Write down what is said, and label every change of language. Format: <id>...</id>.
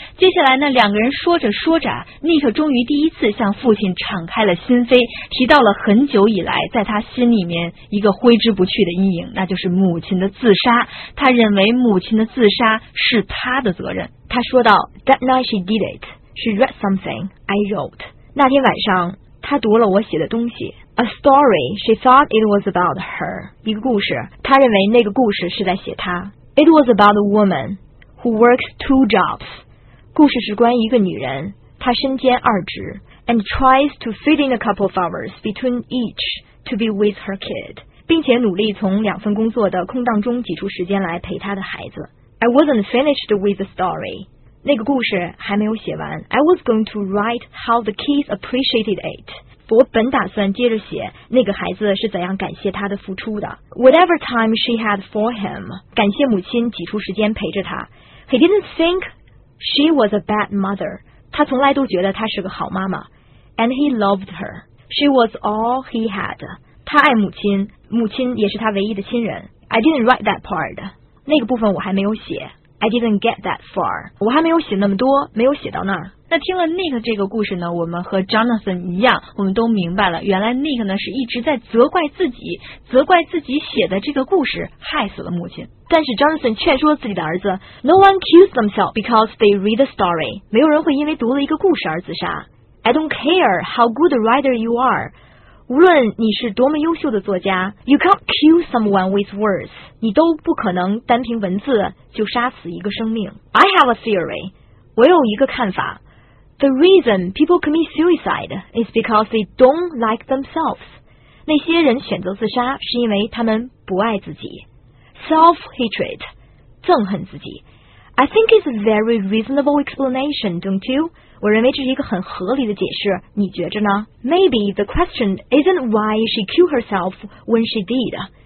<zh>接下来呢两个人说着说着，尼克终于第一次向父亲敞开了心扉，提到了很久以来在他心里面一个挥之不去的阴影，那就是母亲的自杀。他认为母亲的自杀是他的责任。他说到</zh> <en>That night she did it. She read something I wrote.</en> <zh>那天晚上他读了我写的东西。</zh> <en>A story, she thought it was about her.</en> <zh>一个故事，他认为那个故事是在写他。</zh> <en>It was about a woman who works two jobs.</en> <zh>故事是关于一个女人，她身兼二职。</zh> <en>And tries to fit in a couple of hours between each to be with her kid. B</en> <zh>并且努力从两份工作的空档中挤出时间来陪他的孩子。</zh> <en>I wasn't finished with the story.</en> <zh>那个故事还没有写完。</zh> <en>I was going to write how the kids appreciated it.</en> <zh>我本打算接着写那个孩子是怎样感谢他的付出的。</zh> <en>Whatever time she had for him.</en> <zh>感谢母亲挤出时间陪着他。</zh> <en>He didn't think she was a bad mother.</en> <zh>他从来都觉得她是个好妈妈。</zh> <en>And he loved her. She was all he had.</en> <zh>他爱母亲，母亲也是他唯一的亲人。</zh> <en>I didn't write that part.</en> <zh>那个部分我还没有写。</zh> <en>I didn't get that far.</en> <zh>我还没有写那么多，没有写到那儿。那听了 Nick 这个故事呢，我们和 Jonathan 一样，我们都明白了，原来 Nick 呢是一直在责怪自己，责怪自己写的这个故事害死了母亲。但是 Jonathan 劝说自己的儿子，</zh> <en>No one kills themselves because they read the story.</en> <zh>没有人会因为读了一个故事而自杀。</zh> <en>I don't care how good a writer you are.</en> <zh>无论你是多么优秀的作家</zh> <en>You can't kill someone with words</en> <zh>你都不可能单凭文字就杀死一个生命</zh> <en>I have a theory</en> <zh>我有一个看法</zh> <en>The reason people commit suicide is because they don't like themselves</en> <zh>那些人选择自杀是因为他们不爱自己</zh> <en>Self-hatred</en> <zh>憎恨自己</zh> <en>I think it's a very reasonable explanation, don't you?</en> <zh>我认为这是一个很合理的解释，你觉着呢？</zh> <en>Maybe the question isn't why she killed herself when she did.</en>